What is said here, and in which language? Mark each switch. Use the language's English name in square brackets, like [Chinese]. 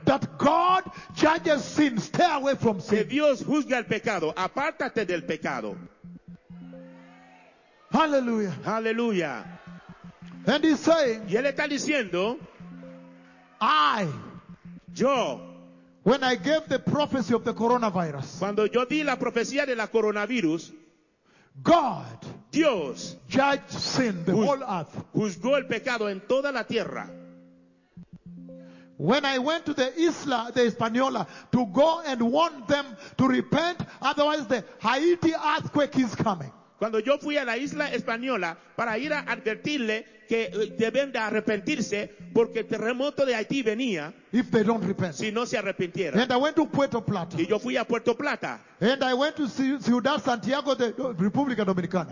[English] that God judges sin, stay away from sin. [Spanish] Que Dios juzga el pecado, apártate del pecado. Hallelujah. Hallelujah. [English] And he's saying, [Spanish] y él está diciendo, [English] yo, when I gave the prophecy of the coronavirus, [Spanish] cuando yo di la profecía de la coronavirus, [English] God, [Spanish] Dios, [English] judged sin the whole earth, [Spanish] juzgó el pecado en toda la tierra. [English] When I went to the Isla de Española to go and warn them to repent, otherwise the Haiti earthquake is coming. [Spanish] Cuando yo fui a la Isla Española para ir a advertirle que deben de arrepentirse porque el terremoto de Haití venía, [English] if they don't repent, [Spanish] si no se arrepintieran. [English] And I went to Puerto Plata. [Spanish] Y yo fui a Puerto Plata. [English] And I went to Ciudad Santiago de República Dominicana.